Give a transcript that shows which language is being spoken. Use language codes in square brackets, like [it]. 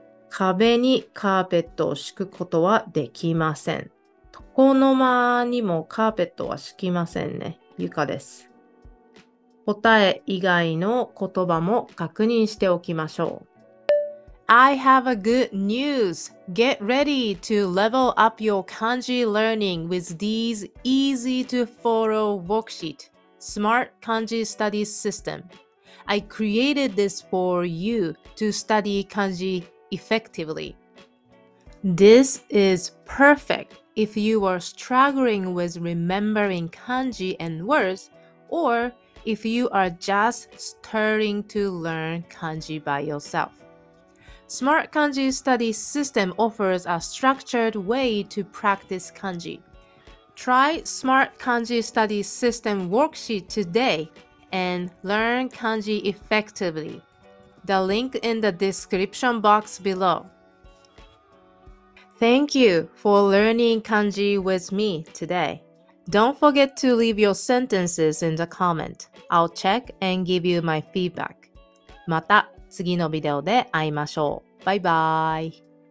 [ja] 壁にカーペットを敷くことはできません。床の間にもカーペットは敷きませんね。床です。答え以外の言葉も確認しておきましょう。 [en] I have a good news. Get ready to level up your kanji learning with these easy to follow worksheet, Smart Kanji Study System. I created this for you to study kanji effectively. This is perfect if you are struggling with remembering kanji and words, or if you are just starting to learn kanji by yourself. Smart Kanji Study System offers a structured way to practice kanji. Try Smart Kanji Study System worksheet today and learn kanji effectively. The link in the description box below. Thank you for learning kanji with me today. Don't forget to leave your sentences in the comment. I'll check and give you my feedback. [ja] また次のビデオで会いましょう。バイバイ。